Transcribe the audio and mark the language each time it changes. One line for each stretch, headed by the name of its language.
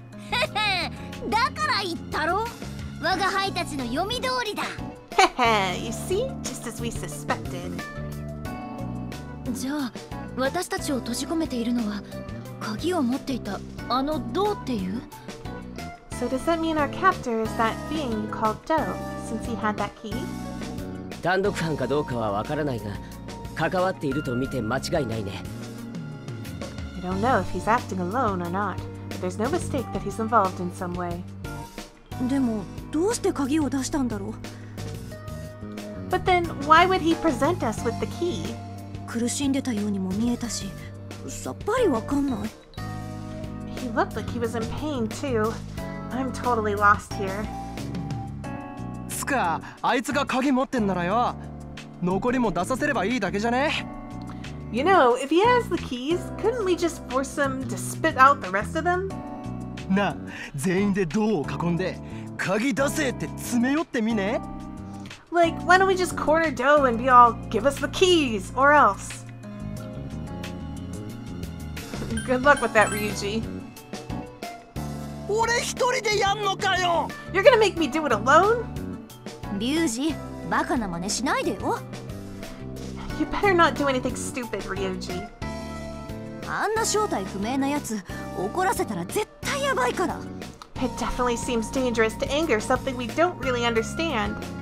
Japanese: へへ、だから言ったろ! 我が輩たちの読み通りだ。
English: へへ、you see? Just as we suspected.
Japanese: じゃあ、私たちを閉じ込めているのは、鍵を持っていた、あの、ドーっていう?
English: So does that mean our captor is that being called Doe, since he had that key?
Japanese: 単独犯かどうかはわからないが、関わっていると見て間違いないね。
English: I don't know if he's acting alone or not, but there's no mistake that he's involved in some way.
Japanese: でも、どうして鍵を出したんだろう?
English: But then, why would he present us with the key?
Japanese: 苦しんでたようにも見えたし、さっぱりわかんない。
English: He looked like he was in pain too. I'm totally lost here.
Japanese: つか、あいつが鍵持ってんならよ。残りも出させればいいだけじゃね。
English: You know, if he has the keys, couldn't we just force him to spit out the rest of them?
Japanese: な、全員でドアを囲んで、鍵出せって詰め寄ってみね。
English: Like, why don't we just corner Doe and be all, give us the keys, or else? Good luck with that, Ryuji.
Japanese: 俺一人でやんのかよ!
English: You're gonna make me do it alone?
Japanese: リュウジ、バカな真似しないでよ。
English: You better not do anything stupid, Ryuji.
Japanese: あんな正体不明なやつ、怒らせたら絶対やばいから。
English: It definitely seems dangerous to anger something we don't really understand.